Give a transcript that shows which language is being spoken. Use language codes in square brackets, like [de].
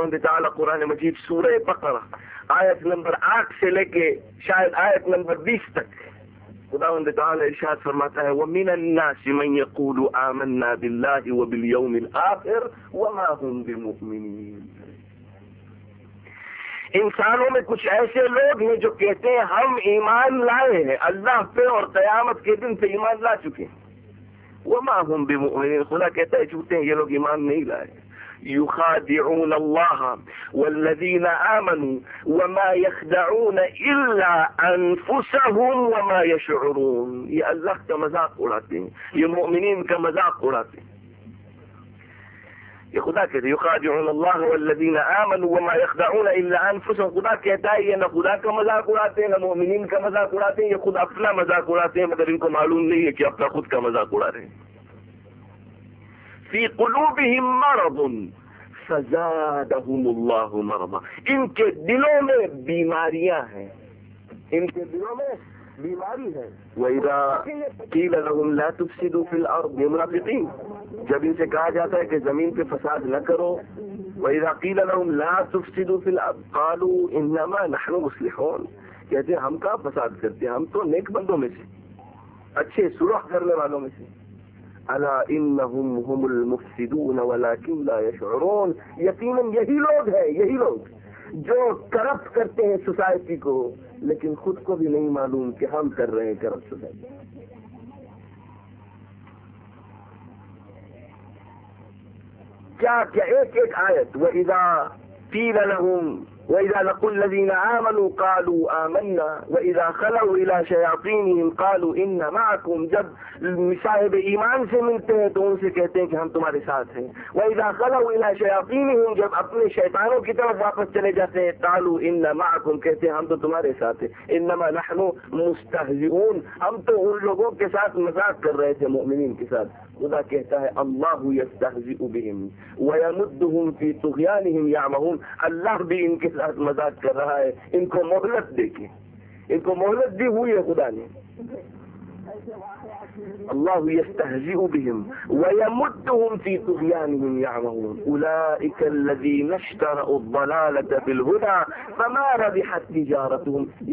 [ur] خدا تعالی قرآن مجید سورہ بقرہ آیت نمبر 8 سے لے کے شاید آیت نمبر 20 تک خداوند تعالی ارشاد فرماتا ہے [ar] وَمِنَ النَّاسِ مَنْ يَقُولُ آمَنَّا بِاللَّهِ وَبِالْيَوْمِ الْآخِرِ وَمَا هُمْ بِمُؤْمِنِينَ. [ur] انسانوں میں کچھ ایسے لوگ ہیں جو کہتے ہیں ہم ایمان لائے ہیں اللہ پہ اور قیامت کے دن پہ ایمان لا چکے ہیں, [ar] وَمَا هُمْ بِمُؤْمِنِينَ. [ur] خدا کہتا ہے جھوٹے ہیں, یہ لوگ ایمان نہیں لائے. [ar] يخادعون الله والذين آمنوا وما يخدعون إلا أنفسهم وما يشعرون. [ur] یہ اللہ کا مذاق اڑاتے ہیں, یہ مؤمنین کا مذاق اڑاتے ہیں. یہ خدا کہتے ہیں [ar] يخادعون الله والذين آمنوا وما يخدعون إلا أنفسهم. [ur] خدا کہتا ہے یہ نہ خدا کا مذاق اڑاتے ہیں نہ مؤمنین کا مذاق اڑاتے ہیں, یہ خود اپنا مذاق اڑاتے ہیں, مگر ان کو معلوم نہیں ہے کہ اپنا خود کا مذاق اڑا رہے ہیں. [ar] فی قلوبہم مرض فزادہم اللہ مرضا. [ur] ان کے دلوں میں بیماریاں ہیں, ان کے دلوں میں بیماری ہے. [ar] وَإِذَا قِيلَ لَهُمْ لَا تُفْسِدُوا فِي الْأَرْضِ مُنَافِقِينَ. [ur] جب ان سے کہا جاتا ہے کہ زمین پہ فساد نہ کرو, [ar] وَإِذَا قِيلَ لَهُمْ لَا تُفْسِدُوا فِي الْأَرْضِ قَالُوا إِنَّمَا نَحْنُ مُصْلِحُونَ. [ur] کہتے ہیں ہم کا فساد کرتے ہیں, ہم تو نیک بندوں میں سے, اچھے صلح کرنے والوں میں سے. [ar] الا انهم هم المفسدون ولكن لا يشعرون. [ur] یقینا یہی لوگ ہیں, یہی لوگ جو کرپٹ کرتے ہیں سوسائٹی کو, لیکن خود کو بھی نہیں معلوم کہ ہم کر رہے ہیں کرپٹ سوسائٹی. کیا کیا ایک ایک آیت. [ar] واذا قيل لهم واذا لقوا الذين امنوا قالوا امنا واذا خلوا الى شياطينهم قالوا ان معكم. [ur] جب صاحب ایمان سے ملتے ہیں تو ان سے کہتے ہیں کہ ہم تمہارے ساتھ ہیں. [ar] واذا خلوا الى شياطينهم [ur] جب اپنے شیطانوں کی طرف واپس چلے جاتے ہیں [ar] قالوا ان معكم [ur] کہتے ہیں ہم تو تمہارے ساتھ ہیں. [ar] انما نحن مستهزئون. [ur] ہم تو ان لوگوں کے ساتھ مذاق کر رہے تھے مؤمنین کے ساتھ. خدا کہتا ہے [ar] اللہ یستهزئ بهم ويمدهم في طغيانهم يعمهون. [ur] اللہ بھی ان کے ساتھ مذاق کر رہا ہے, ان کو مہلت دے کے, ان کو مہلت دی ہوئی ہے خدا نے. [ar] الله يستهزئ بهم ويمدهم في طغيانهم يعمهون. أولئك الذين اشتروا الضلالة بالهدى فما ربحت تجارتهم.